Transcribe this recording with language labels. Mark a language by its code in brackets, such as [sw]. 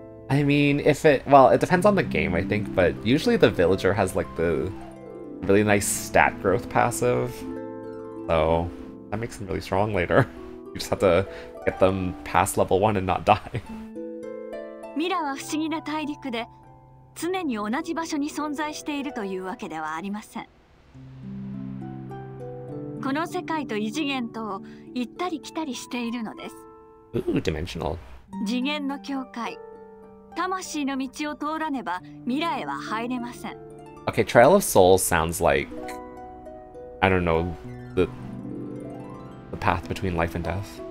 [en] I mean, if it, well, it depends on the game, I think, but usually the villager has like the... really nice stat growth passive, so that makes them really strong later. You just have to get them past level 1 and not die. [ja] Mira は不思議な大陸で常に同じ場所に存在しているというわけではありません。この世界と異次元とを行ったり来たりしているのです。 [en] Ooh, dimensional. [ja] 次元の境界、魂の道を通らねば未来は入れません。 [en] Okay, Trail of Souls sounds like, I don't know, the path between life and death.